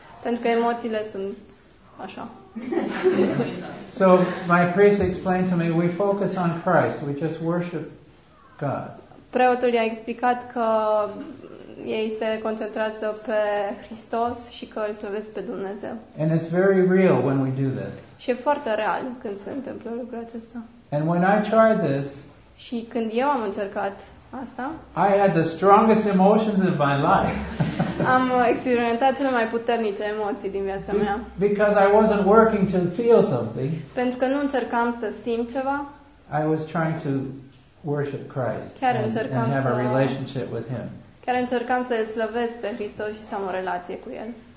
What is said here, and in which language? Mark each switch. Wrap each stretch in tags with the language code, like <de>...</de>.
<ro>Pentru că emoțiile sunt așa.</ro> <en>So my priest explained to me we focus on Christ, we just worship God.</en> <ro>Preotul i-a explicat că ei se concentrează pe Hristos și că îl slăvesc pe Dumnezeu.</ro> <en>And it's very real when we do this.</en> <ro>Și e foarte real când se întâmplă lucrul acesta.</ro> <en>And when I tried this,</en> <ro>și când eu am încercat asta,</ro> <en>I had the strongest emotions in my life.</en> <ro>Am experimentat cele mai puternice emoții din viața mea.</ro> <en>Because I wasn't working to feel something.</en> <ro>Pentru că nu încercam să simt ceva.</ro> <en>I was trying to worship Christ and have a relationship with him.</en> <ro>Chiar încercam să îl slăvesc pe Hristos și să am o relație cu el.</ro>